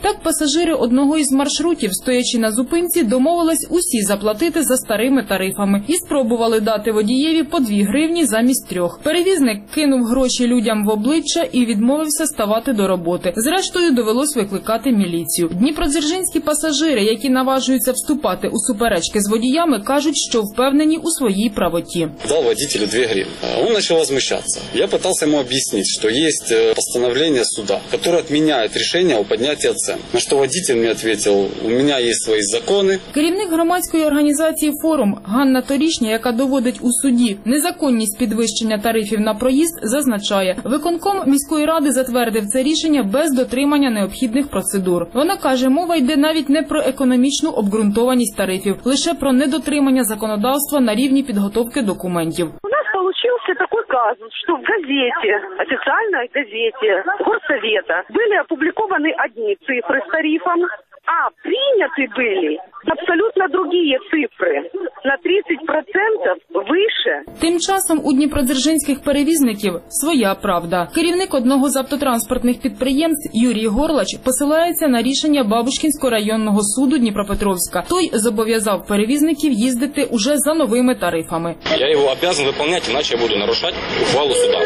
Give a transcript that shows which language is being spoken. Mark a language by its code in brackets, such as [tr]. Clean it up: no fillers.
[uk] Так, пасажири одного із маршрутів, стоячи на зупинці, домовились усі заплатити за старими тарифами і спробували дати водієві по 2 гривні замість 3. Перевізник кинув гроші людям в обличчя і відмовився ставати до роботи. Зрештою, довелось викликати міліцію. Дніпродзержинські пасажири, які наважуються вступати у суперечки з водіями, кажуть, що впевнені у своїй правоті. Дав водителю 2 гривні. Він почав [ru] Я пытался ему объяснить, что есть постановление суда, которое отменяет решение о поднятии цен. На что водитель мне ответил, у меня есть свои законы. [uk] Керівник громадської організації «Форум» Ганна Торішня, яка доводить у суді незаконність підвищення тарифів на проїзд, зазначає, виконком міської ради затвердив це рішення без дотримання необхідних процедур. Вона каже, мова йде навіть не про економічну обґрунтованість тарифів, лише про недотримання законодавства на рівні підготовки документів. У нас вийшовся такий казус. [ru] Что в газете, официальной газете горсовета, были опубликованы одни цифры с тарифом, а приняты были абсолютно другие цифры на 30% выше. [uk] Тим часом у дніпродзержинських перевізників своя правда. Керівник одного з автотранспортних підприємств Юрій Горлач посилається на рішення Бабушкінського районного суду Дніпропетровська. Той зобов'язав перевізників їздити уже за новими тарифами. Я його обов'язан виконувати, іначе я буду нарушати ухвалу суда.